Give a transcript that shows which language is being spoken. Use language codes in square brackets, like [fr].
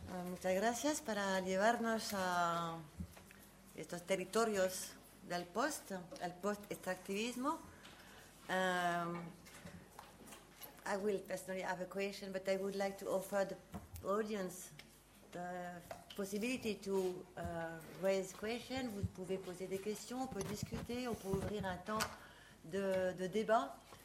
[es] Muchas gracias para llevarnos a estos territorios del post, al post extractivismo. [en] I will personally have a question, but I would like to offer the audience the possibility to raise questions. [fr] Vous pouvez poser des questions, on peut discuter, on peut ouvrir un temps de débat.